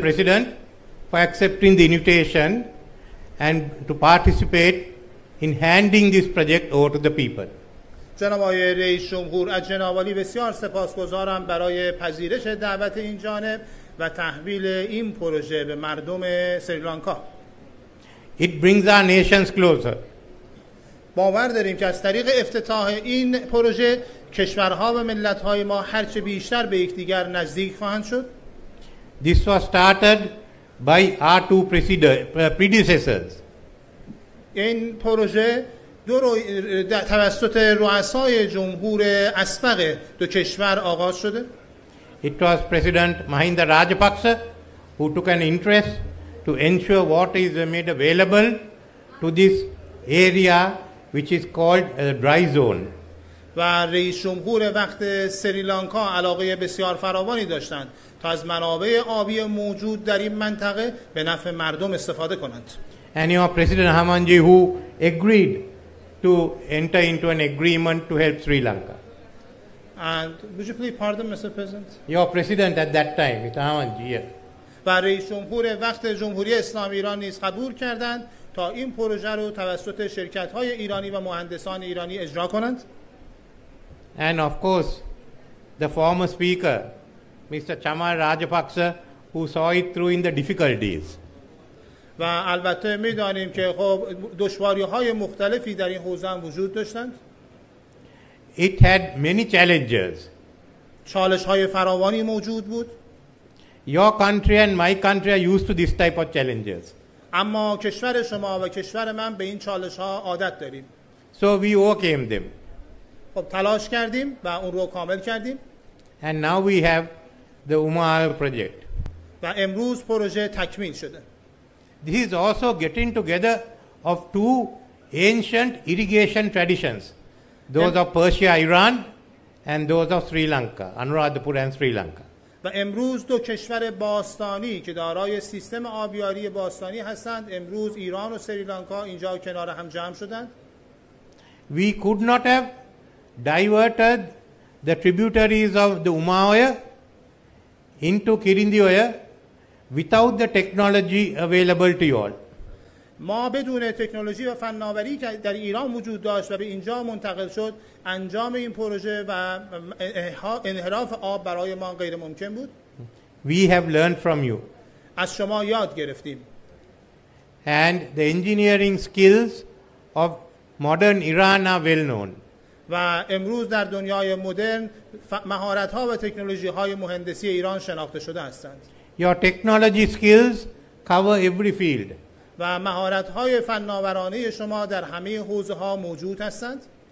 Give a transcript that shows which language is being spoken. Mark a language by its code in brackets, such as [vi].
[en] President, for accepting the invitation and to participate in handing this project over to the people. [fa] جناب آقای رئیس جمهور، از جناب عالی بسیار سپاسگزارم برای پذیرش دعوت این جانب و تحویل این پروژه به مردم سریلانکا. [en] It brings our nations closer. [fa] باور داریم که از طریق افتتاح این پروژه کشورها و ملت‌های ما هرچه بیشتر به یکدیگر نزدیک خواهند شد. [en] This was started by our two predecessors. [fa] این پروژه توسط رؤسای جمهور اسبق دو کشور آغاز شده. [en] It was President Mahinda Rajapaksa who took an interest to ensure water is made available to this area which is called a dry zone. [fa] و رئیس جمهور وقت سریلانکا علاقه بسیار فراوانی داشتند تا از منابع آبی موجود در این منطقه به نفع مردم استفاده کنند. [en] And your President Hamanji who agreed to enter into an agreement to help Sri Lanka. And would you please pardon, Mr. President? Your President at that time, Mr. Hamanji, yes. [fa] و رئیس جمهور وقت جمهوری اسلامی ایران نیز قبول کردند تا این پروژه رو توسط شرکت‌های ایرانی و مهندسان ایرانی اجرا کنند. [en] And of course, the former speaker, Mr. Chamal Rajapaksa, who saw it through in the difficulties. [fa] و البته می‌دانیم که خب دشواری‌های مختلفی در این حوزه هم وجود داشتند. [en] It had many challenges. [fa] چالش‌های فراوانی موجود بود. [en] Your country and my country are used to this type of challenges. [fa] اما کشور شما و کشور من به این چالش‌ها عادت داریم. [en] So we overcame them. [fa] خب تلاش کردیم و اون رو کامل کردیم. [en] And now we have the Umar project. [fa] و امروز پروژه تکمیل شده. [en] This is also getting together of two ancient irrigation traditions, those of Persia, Iran, and those of Sri Lanka, Anuradhapura and Sri Lanka. [fa] و امروز دو کشور باستانی که دارای سیستم آبیاری باستانی هستند، امروز ایران و سریلانکا اینجا کنار هم جمع شدند. [en] We could not have diverted the tributaries of the Umaoya into Kirindioya without the technology available to you all. [fa] ما بدون تکنولوژی و فناوری که در ایران وجود داشت و به اینجا منتقل شد، انجام این پروژه و انحراف آب برای ما غیر ممکن بود. [en] We have learned from you. [fa] از شما یاد گرفتیم. [en] And the engineering skills of modern Iran are well known. [fa] و امروز در دنیای مدرن مهارت‌ها و تکنولوژی‌های مهندسی ایران شناخته شده هستند. [en] Your technology skills cover every field. [fa] و مهارت‌های فناورانه شما در همه حوزه‌ها موجود هستند.